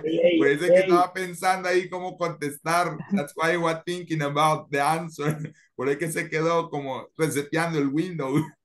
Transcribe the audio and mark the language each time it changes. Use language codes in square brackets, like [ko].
[es] Pues es que estaba pensando ahí cómo contestar. [en] That's why I was thinking about the answer. [es] Por eso que se quedó como reseteando el Windows.